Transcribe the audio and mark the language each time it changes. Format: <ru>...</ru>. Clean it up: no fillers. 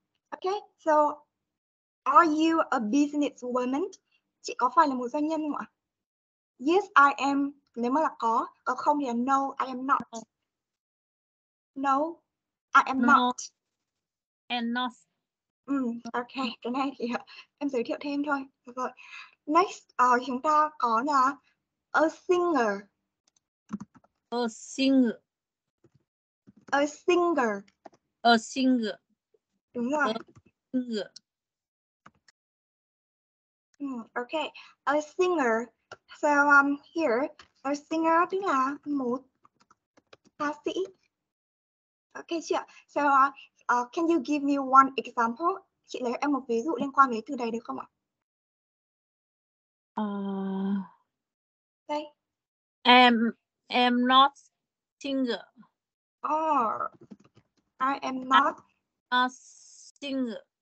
<en>Ok, so are you a business woman?</en> <vi>Chị có phải là một doanh nhân không ạ?</vi> <en>Yes, I am.</en> <vi>Nếu mà là có không thì là</vi> <en>no, I am not. No, I am no, not. And not.</en> <vi>Okay, cái này thì em giới thiệu thêm thôi. Rồi. Next, chúng ta có là</vi> <en>a singer. A singer. A singer. A singer.</en> <vi>Đúng rồi.</vi> <en>A singer. Okay, a singer. So here, a singer</en> <vi>tức là một ca sĩ. Okay, chị ạ.</vi> <en>So can you give me one example?</en> <vi>Chị lấy em một ví dụ liên quan đến từ này được không ạ? Đây.</vi> <en>I'm not singer. Oh, I am not a singer.</en>